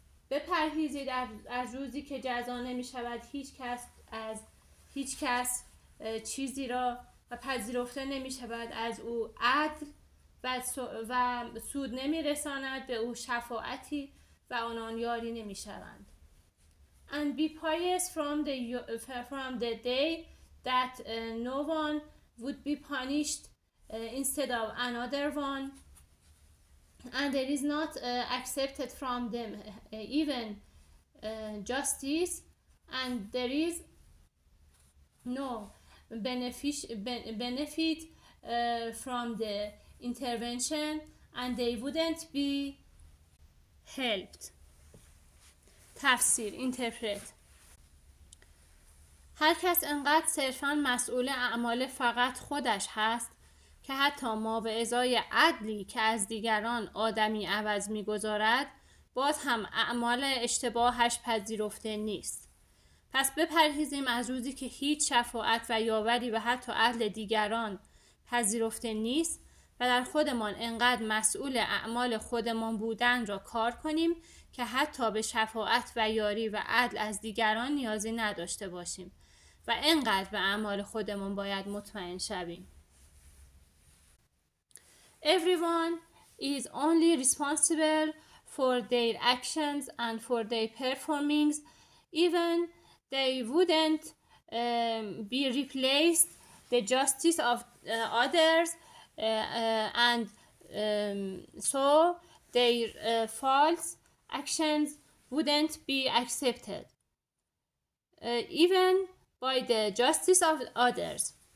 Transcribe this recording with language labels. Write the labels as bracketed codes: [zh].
[fa] بپرهیزید از روزی که جزا نمی شود هیچ کس از هیچ کس چیزی را و پذیرفته نمی شود از او عدل و سود نمی رساند به او شفاعتی و آنان یاری نمی شوند. [en] And be pious from the day that no one would be punished instead of another one. And there is not accepted from them even justice, and there is no benefit from the intervention, and they wouldn't be helped. [fa] تفسیر interpret. هر کس انقدر صرفاً مسئول اعمال فقط خودش هست که حتی ما به ازای عدلی که از دیگران آدمی عوض می گذارد باز هم اعمال اشتباهش پذیرفته نیست. پس بپرهیزیم از روزی که هیچ شفاعت و یاوری و حتی عدل دیگران پذیرفته نیست و در خودمان انقدر مسئول اعمال خودمان بودن را کار کنیم که حتی به شفاعت و یاری و عدل از دیگران نیازی نداشته باشیم و انقدر به اعمال خودمان باید مطمئن شویم. [en] Everyone is only responsible for their actions and for their performings. Even they wouldn't be replaced the justice of others, and so their false actions wouldn't be accepted, even by the justice of others.